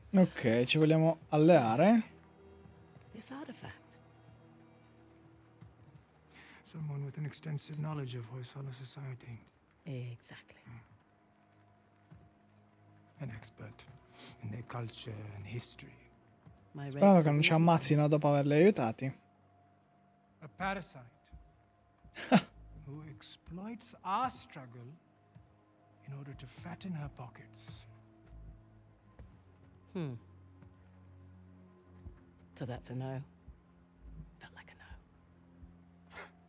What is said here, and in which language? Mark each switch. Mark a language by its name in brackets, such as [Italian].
[Italian] Ok, ci vogliamo alleare. [English] This artifact. Someone with an extensive knowledge of Hoysala society. Exactly. An expert. In their culture and history. [Italian] Sperando che non ci ammazzino dopo averli aiutati. [English] A parasite who exploits our struggle in order to fatten her pockets. So that's a no. Felt like a no.